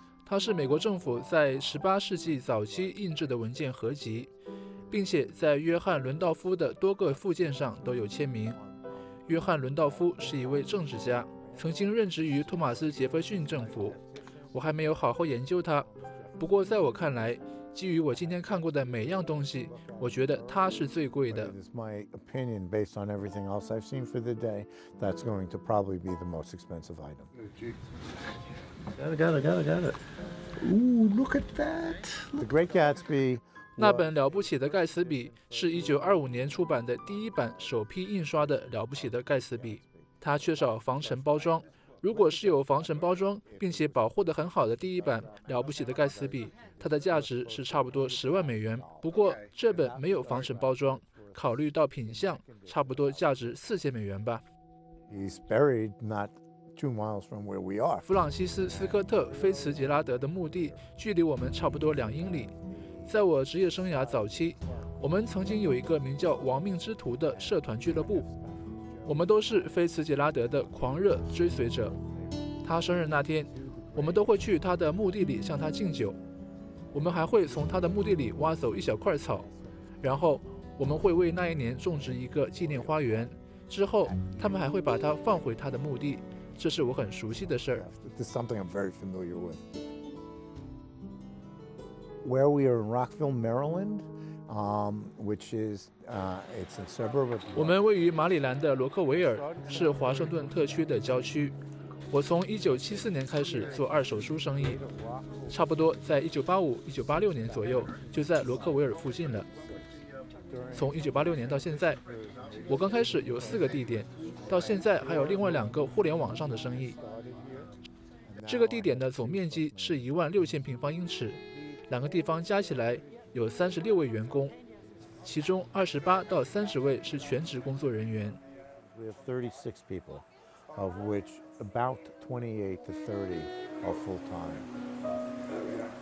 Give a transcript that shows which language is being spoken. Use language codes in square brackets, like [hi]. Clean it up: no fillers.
[zh] 它是美国政府在十八世纪早期印制的文件合集，并且在约翰·伦道夫的多个附件上都有签名。约翰·伦道夫是一位政治家，曾经任职于托马斯·杰弗逊政府。我还没有好好研究他，不过在我看来，基于我今天看过的每样东西，我觉得它是最贵的。 [en] It's my opinion based on everything else I've seen for the day. That's going to probably be the most expensive item. Got it. Ooh, look at that. The Great Gatsby. [zh] 那本《了不起的盖茨比》是1925年出版的第一版首批印刷的《了不起的盖茨比》，它缺少防尘包装。如果是有防尘包装并且保护得很好的第一版《了不起的盖茨比》，它的价值是差不多$100,000。不过这本没有防尘包装，考虑到品相，差不多价值$4,000吧。 [en] He's buried not 2 miles from where we are. [zh] 弗朗西斯·斯科特·菲茨杰拉德的墓地距离我们差不多2英里。在我职业生涯早期，我们曾经有一个名叫“亡命之徒”的社团俱乐部。我们都是菲茨杰拉德的狂热追随者，他生日那天我们都会去他的墓地里向他敬酒，我们还会从他的墓地里挖走一小块草，然后我们会为那一年种植一个纪念花园，之后他们还会把它放回他的墓地，这是我很熟悉的事。 [en] This is something I'm very familiar with. Where we are in Rockville, Maryland, which isis a suburb of [zh] 我们位于马里兰的罗克维尔，是华盛顿特区的郊区。我从1974年开始做二手书生意，差不多在1985-1986年左右就在罗克维尔附近了。从1986年到现在，我刚开始有4个地点，到现在还有另外2个互联网上的生意。这个地点的总面积是16,000平方英尺，两个地方加起来有36位员工。其中28到30位是全职工作人员。 [en] We have 36 people, of which about 28 to 30 are full-time.